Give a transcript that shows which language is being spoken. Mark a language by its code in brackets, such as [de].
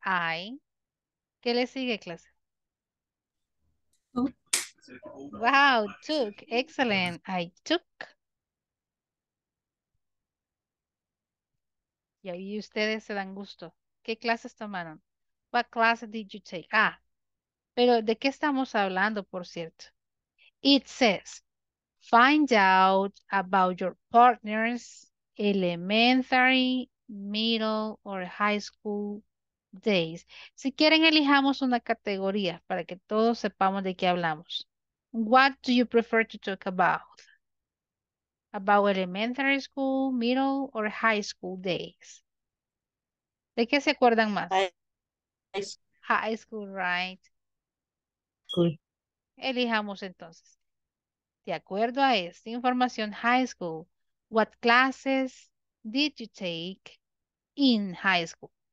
[en] I. [es] ¿Qué le sigue, clase? [en] Wow, took. Excellent. I took. [es] Y ahí ustedes se dan gusto. ¿Qué clases tomaron? [en] What class did you take? [es] Ah, pero ¿de qué estamos hablando, por cierto? [en] It says, find out about your partner's elementary, middle, or high school days. [es] Si quieren, elijamos una categoría para que todos sepamos de qué hablamos. [en] What do you prefer to talk about? About elementary school, middle, or high school days. [es] ¿De qué se acuerdan más? [en] High school, right? Cool. [es] Elijamos entonces. De acuerdo a esta información, [en] high school, what classes did you take in high school?